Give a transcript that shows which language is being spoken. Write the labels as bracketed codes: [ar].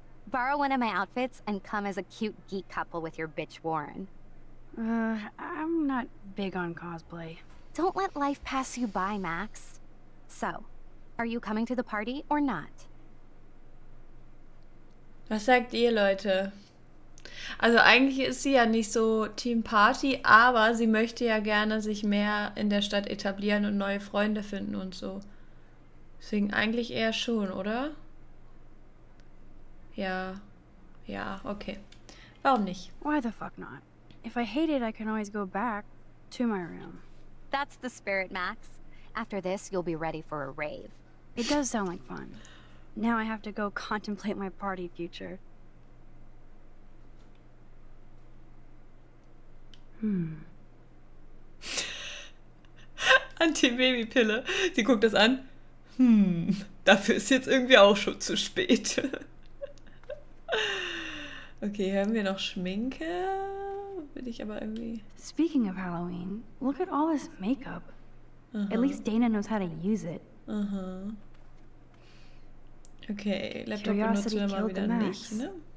[en] Borrow one of my outfits and come as a cute geek couple with your bitch Warren. I'm not big on cosplay. Don't let life pass you by, Max. So, are you coming to the party or not? [de] Was sagt ihr, Leute? Also eigentlich ist sie ja nicht so Team Party, aber sie möchte ja gerne sich mehr in der Stadt etablieren und neue Freunde finden und so. Deswegen eigentlich eher schon, oder? Ja. Ja, okay. Warum nicht? [en] Why the fuck not? If I hate it, I can always go back to my room. That's the spirit, Max. After this, you'll be ready for a rave. It does sound like fun. Now I have to go contemplate my party future. [de] Anti-Baby-Pille. Sie guckt das an. Dafür ist jetzt irgendwie auch schon zu spät. Okay, haben wir noch Schminke? Bin ich aber irgendwie... [en] Speaking of Halloween, look at all this makeup. At least Dana knows how to use it. [de] Okay, Laptop benutzen wir mal wieder nicht, ne?